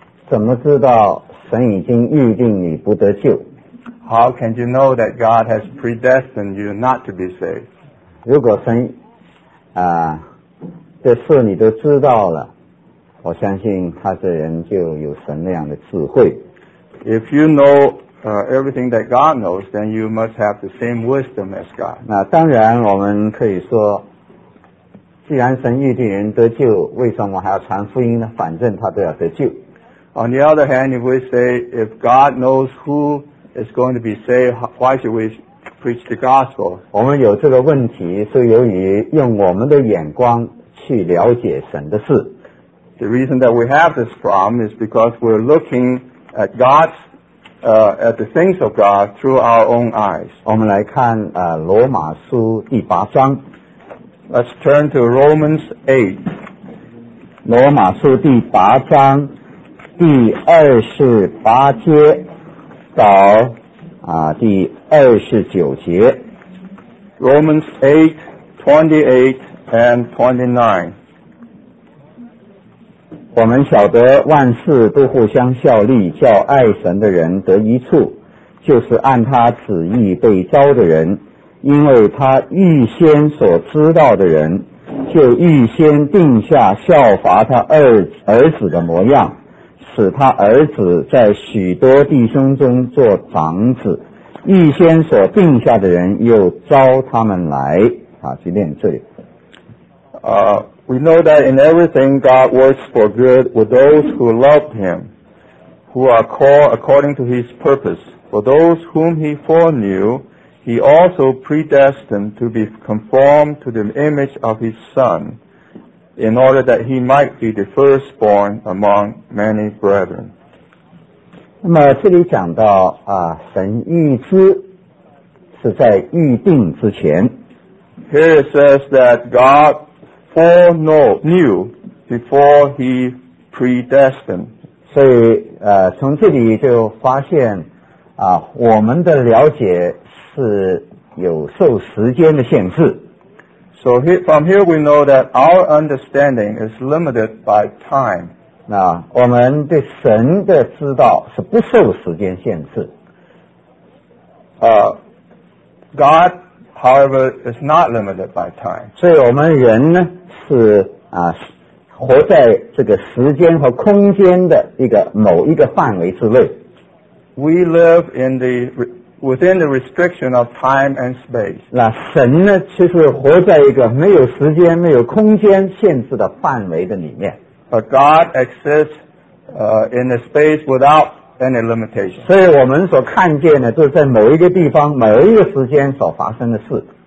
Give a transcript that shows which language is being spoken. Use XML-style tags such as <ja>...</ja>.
<zh>怎么知道神已经预定你不得救？</zh> <en>How can you know that God has predestined you not to be saved?</en> <zh>如果神这事你都知道了，我相信他这人就有神那样的智慧。</zh> <en>If you knoweverything that God knows, then you must have the same wisdom as God.</en> <zh>那当然我们可以说，既然神预定人得救，为什么还要传福音呢？反正他都要得救。</zh> <en>On the other hand, if we say, if God knows who is going to be saved, why should we preach the gospel?</en> <zh>我们有这个问题是由于用我们的眼光去了解神的事。</zh> <en>The reason that we have this problem is because we're looking at God'sat the things of God through our own eyes.</en> <zh>我们来看罗马书第八章。</zh> <en>Let's turn to Romans 8.</en> <zh>罗马书第八章第28节到第29节。</zh> <en>Romans 8:28-29.</en> <zh>我们晓得万事都互相效力，叫爱神的人得益处，就是按他旨意被招的人，因为他预先所知道的人，就预先定下效法他儿子的模样，使他儿子在许多弟兄中做长子。预先所定下的人又招他们来。去念这里。</zh> <en>We know that in everything God works for good with those who love Him, who are called according to His purpose. For those whom He foreknew, He also predestined to be conformed to the image of His Son, in order that He might be the firstborn among many brethren.</en> <zh>那么这里讲到神预知是在预定之前。</zh> <en>Here it says that God foreknew before he predestined.</en> <zh>所以从这里就发现我们的了解是有受时间的限制。</zh> <en>So here, from here we know that our understanding is limited by time.</en> <zh>那我们对神的知道是不受时间限制。</zh> <en>God, however, is not limited by time.</en> <zh>所以我们人呢是活在这个时间和空间的一个某一个范围之内。</zh> <en>We live in the within the restriction of time and space.</en> <zh>那神呢，其实活在一个没有时间、没有空间限制的范围的里面。</zh> <en>But God exists in a space without any limitation.</en> <zh>所以我们所看见的，就是在某一个地方、某一个时间所发生的事。</zh>